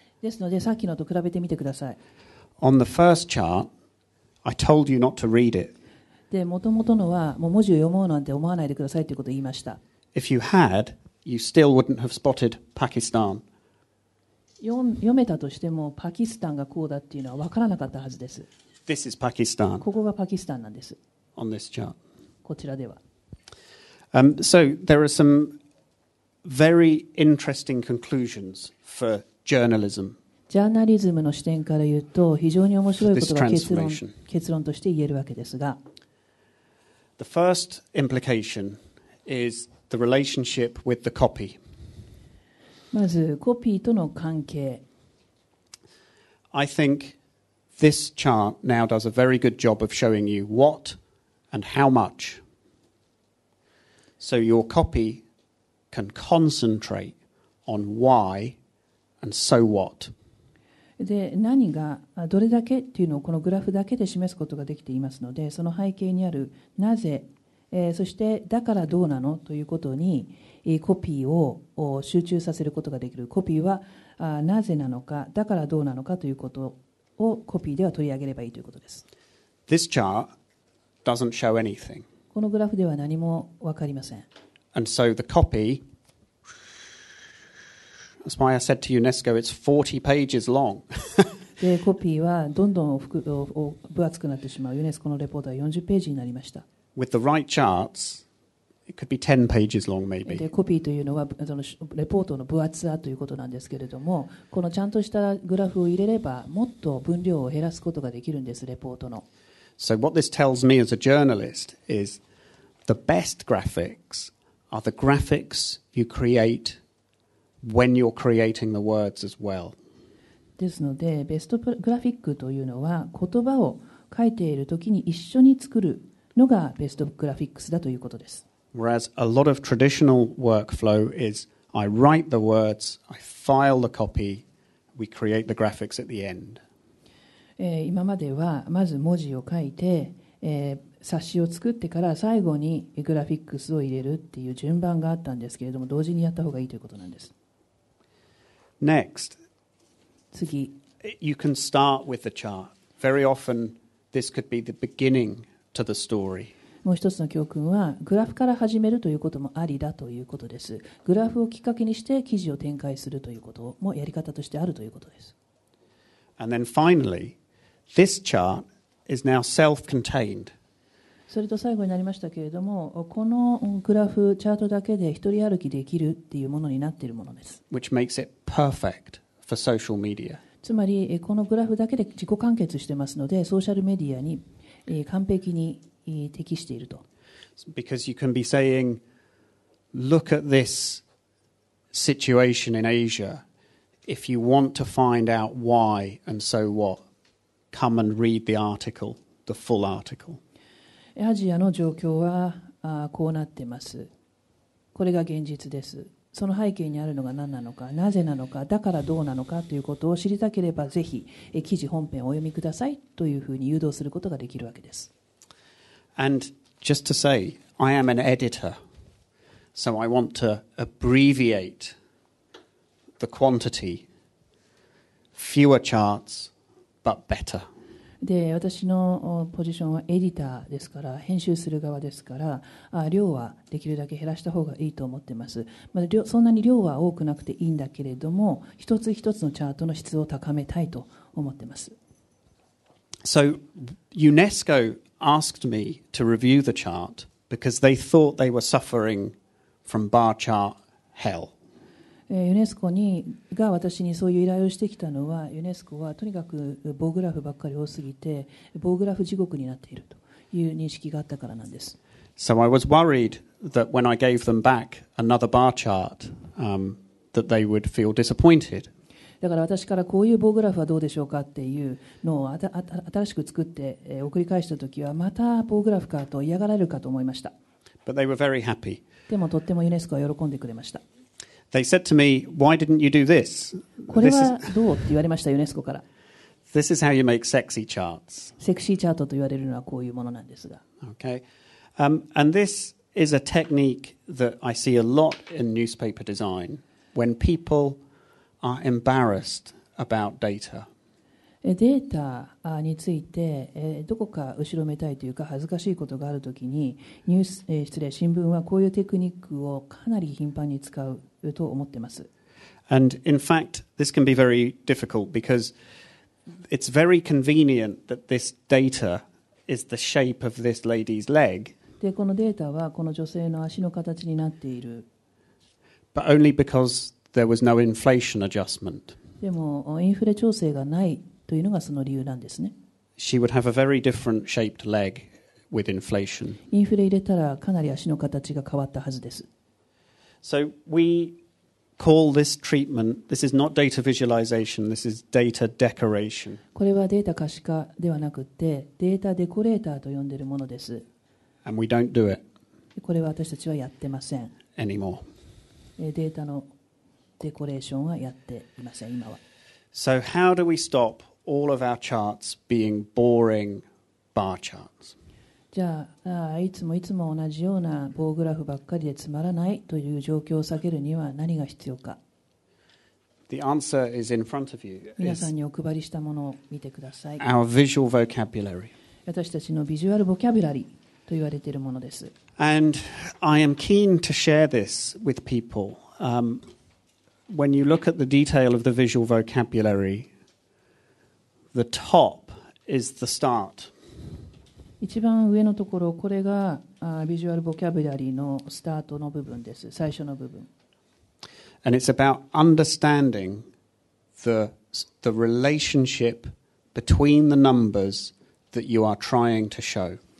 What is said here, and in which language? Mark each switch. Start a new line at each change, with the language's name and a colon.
Japanese: ですので、さっきのと比べてみてください。
English: On the first chartI told you not to read it.
Japanese: で、元々のはもう文字を読もうなんて思わないでくださいということを言いました。
English: If you had, you still wouldn't have spotted Pakistan.
Japanese: 読めたとしてもパキスタンがこうだっていうのは分からなかったはずです。
English: This is Pakistan.
Japanese: ここがパキスタンなんです。
English: On this chart.
Japanese: こちらでは。
English: So there are some very interesting conclusions for journalism.
Japanese: ジャーナリズムの視点から言うと、非常に面白いことが結論として言えるわけですが、
English: The first implication is the relationship with the copy.
Japanese: まずコピーとの関係。
English: I think this chart now does a very good job of showing you what and how much. So your copy can concentrate on why and so what.
Japanese: で、何がどれだけっていうのをこのグラフだけで示すことができていますので、その背景にあるなぜ、そしてだからどうなのということに、コピーを集中させることができる。コピーはなぜなのか、だからどうなのかということをコピーでは取り上げればいいということです。
English: This chart doesn't show anything.
Japanese: このグラフでは何も分かりません。
English: And so the copyThat's why I said to UNESCO it's 40 pages long.
Japanese: で、コピーはどんどん分厚くなってしまう。ユネスコのレポートは40ページになりました。
English: With the right charts, it could be 10 pages long, maybe.
Japanese: で、コピーというのはそのレポートの分厚さということなんですけれども、このちゃんとしたグラフを入れればもっと分量を減らすことができるんです、レポートの。
English: So what this tells me as a journalist is the best graphics are the graphics you create. When you're creating the words as well.
Japanese: ですので、ベストグラフィックというのは言葉を書いているときに一緒に作るのがベストグラフィックスだということです。
English: Whereas a lot of traditional workflow is I write the words, I file the copy, we create the graphics at the end.
Japanese: 今まではまず文字を書いて、冊子を作ってから最後にグラフィックスを入れるっていう順番があったんですけれども、同時にやった方がいいということなんです。
English: Next,
Japanese: 次、
English: you can start with the chart. Very often, this could be the beginning to the story.
Japanese: もう一つの教訓は、グラフから始めるということもありだということです。グラフをきっかけにして記事を展開するということもやり方としてあるということです。
English: And then finally, this chart is now self-contained.
Japanese: それと最後になりましたけれども、このグラフ、チャートだけで一人歩きできるっていうものになっているものです。
English: Which makes it perfect for social media.
Japanese: つまり、このグラフだけで自己完結してますので、ソーシャルメディアに完璧に適していると。
English: Because you can be saying, look at this situation in Asia. If you want to find out why and so what, come and read the article, the full article.
Japanese: アジアの状況はこうなってます。これが現実です。その背景にあるのが何なのか、なぜなのか、だからどうなのかということを知りたければ、ぜひ記事本編をお読みくださいというふうに誘導することができるわけです。
English: And just to say, I am an editor. So I want to abbreviate the quantity. Fewer charts, but better.
Japanese: で、私のポジションはエディターですから、編集する側ですから、量はできるだけ減らした方がいいと思ってます。まあ、そんなに量は多くなくていいんだけれども、一つ一つのチャートの質を高めたいと思ってます。
English: So, UNESCO asked me to review the chart because they thought they were suffering from bar chart hell.
Japanese: ユネスコにが私にそういう依頼をしてきたのは、ユネスコはとにかく棒グラフばっかり多すぎて、棒グラフ地獄になっているという認識があったからなんです。
English: So I was worried that when I gave them back another bar chart, that they would feel disappointed.
Japanese: だから私からこういう棒グラフはどうでしょうかっていうのを新しく作って送り返したときは、また棒グラフかと嫌がられるかと思いました。
English: But they were very happy.
Japanese: でもとってもユネスコは喜んでくれました。
English: They said to me, "Why didn't you do this?"
Japanese: これはどうって言われました、ユネスコから。
English: This is how you make sexy charts.
Japanese: セクシーチャートと言われるのはこういうものなんですが。
English: Okay. And this is a technique that I see a lot in newspaper design when people are embarrassed about data.
Japanese: データについてどこか後ろめたいというか恥ずかしいことがあるときに、ニュース、失礼、新聞はこういうテクニックをかなり頻繁に使う。と思ってます。
English: And in fact, this can be very difficult because it's very convenient that this data is the shape of this lady's leg.
Japanese: で、このデータはこの女性の足の形になっている。
English: But only because there was no inflation adjustment.
Japanese: でも、インフレ調整がないというのがその理由なんですね。
English: She would have a very different shaped leg with inflation.
Japanese: インフレ入れたらかなり足の形が変わったはずです。
English: So we call this treatment, this is not data visualization, this is data decoration.
Japanese: これはデータ可視化ではなくて、データデコレーターと呼んでいるものです。
English: And we don't do it.
Japanese: これは私たちはやってません。
English: Anymore.
Japanese: データのデコレーションはやっていません、今は。
English: So how do we stop all of our charts being boring bar charts?
Japanese: じゃあ、いつもいつも同じような棒グラフばっかりでつまらないという状況を避けるには何が必要か。
English: The answer is in front of you.
Japanese: 皆さんにお配りしたものを見てください。
English: Our visual vocabulary.
Japanese: 私たちのビジュアルボキャブラリーと言われているものです。
English: And I am keen to share this with people. When you look at the detail of the visual vocabulary, the top is the start.
Japanese: 一番上のところ、これがビジュアルボキャブラリーのスタートの部分です。最初の部分。
English: And it's about understanding the relationship between the numbers that you are trying to show.